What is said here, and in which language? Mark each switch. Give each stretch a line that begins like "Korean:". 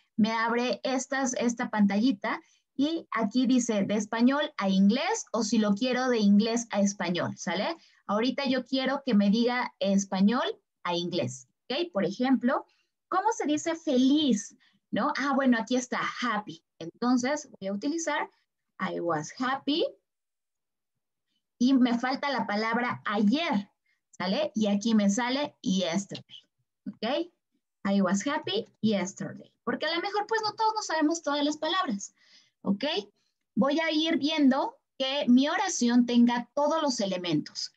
Spanish: Me abre esta pantallita y aquí dice de español a inglés o si lo quiero de inglés a español, ¿sale? Ahorita yo quiero que me diga español a inglés, ¿ok? Por ejemplo, ¿cómo se dice feliz? ¿No? Ah, bueno, aquí está, happy. Entonces, voy a utilizar
English: I was happy.
Spanish: Y me falta la palabra ayer, ¿sale? Y aquí me sale yesterday, ¿ok?
English: I was happy yesterday.
Spanish: Porque a lo mejor, pues, no todos nos sabemos todas las palabras, ¿ok? Voy a ir viendo que mi oración tenga todos los elementos.